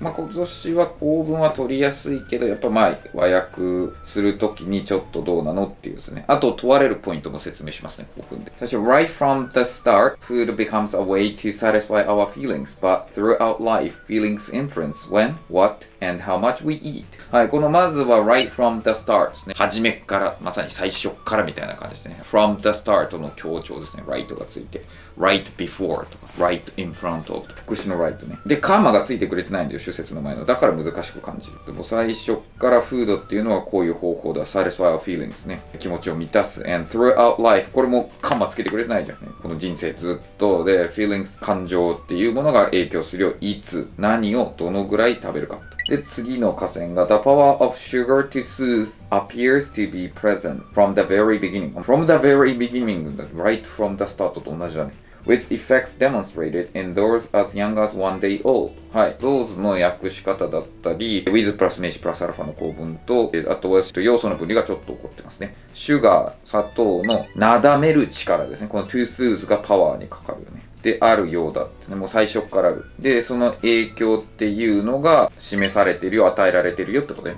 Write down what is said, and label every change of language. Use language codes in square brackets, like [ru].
[ja] まあ、今年は構文は取りやすいけど、やっぱまあ、和訳するときにちょっとどうなのっていうですね。あと、問われるポイントも説明しますね、興奮で。最初、 [en] Right from the start, food becomes a way to satisfy our feelings, but throughout life, feelings influence when, what, and how much we eat. [ja] はい、このまずは [en] Right from the start [ja] ですね。初めから、まさに最初からみたいな感じですね。 From the start の強調ですね。Right がついて。Right before とか、 [en] Right in front of [ja] とか、副詞の Right ね。で、カーマがついてくれてないんですよ、主節の前の。だから難しく感じる。でも最初からフードっていうのはこういう方法だ。 [en] satisfy our feelings [ja] ね。気持ちを満たす。 [en] and throughout life。 [ja] これもカーマつけてくれてないじゃんね。この人生ずっと。で、feelings、感情っていうものが影響するよ。いつ、何を、どのぐらい食べるか。で、次の河川が [en] The power of sugar to soothe appears to be present from the very beginning. From the very beginning, right from the start [ja] と同じだね。 [en] With effects demonstrated in those as young as one day old. [ja] はい。 those の訳し方だったり、with プラス名詞プラスアルファの構文と、あとは要素の分離がちょっと起こってますね。 sugar、砂糖のなだめる力ですね。この to soothe がパワーにかかるよね。であるようだってね、もう最初からある。で、その影響っていうのが示されているよ、与えられているよってことね。